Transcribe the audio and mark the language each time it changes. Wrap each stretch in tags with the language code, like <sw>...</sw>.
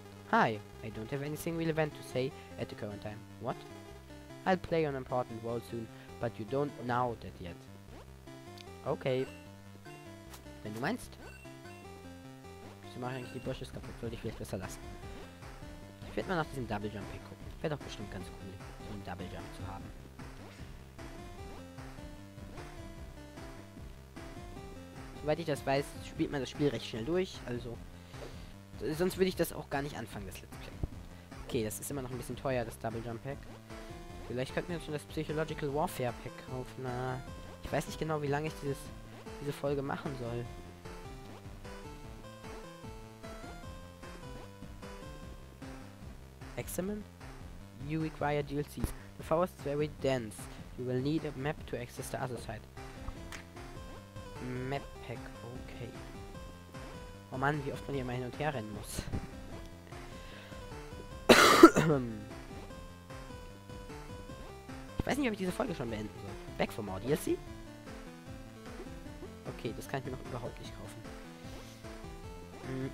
<en>Hi, I don't have anything relevant to say at the current time. What? I'll play an important role soon, but you don't know that yet.</en> <de>Okay. Wenn du meinst. Ich mache eigentlich die Bursches kaputt, würde ich vielleicht besser lassen. Ich werde mal nach diesem Double Jump gucken. Wäre doch bestimmt ganz cool, so einen Double Jump zu haben. Soweit ich das weiß, spielt man das Spiel recht schnell durch, also... Sonst würde ich das auch gar nicht anfangen, das Let's Play. Okay, das ist immer noch ein bisschen teuer, das Double Jump Pack. Vielleicht könnten wir uns schon das Psychological Warfare Pack kaufen. Na, ich weiß nicht genau, wie lange ich diese Folge machen soll.</de> <en>Examine? You require DLC. The forest is very dense. You will need a map to access the other side. Map Pack, okay.</en> <de>Oh Mann, wie oft man hier mal hin und her rennen muss. Ich weiß nicht, ob ich diese Folge schon beenden soll.</de> <en>Back for more DLC?</en> <de>Okay, das kann ich mir noch überhaupt nicht kaufen.</de>